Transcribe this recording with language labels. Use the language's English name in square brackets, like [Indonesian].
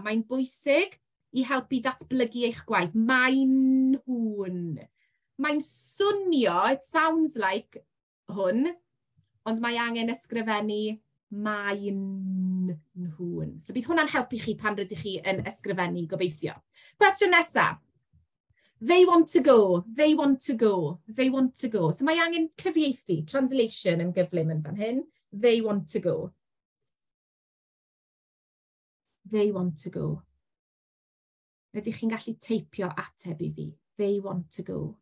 [Welsh] Mae'n bwysig i helpu datblygu eich gwaith. Mae'n nhw'n. Mae'n swnio, [English] it sounds like [Welsh] hwn, ond mae angen ysgrifennu mae'n nhw'n. So bydd hwnna'n helpu chi pan rydych chi yn ysgrifennu, gobeithio. Cwestiwn nesaf. [English] They want to go, they want to go, they want to go. [Welsh] So mae angen cyfieithu, translation yn gyflym yn fan hyn. [English] They want to go. They want to go. [Welsh] Ydych chi'n gallu teipio ateb i fi. [English] They want to go.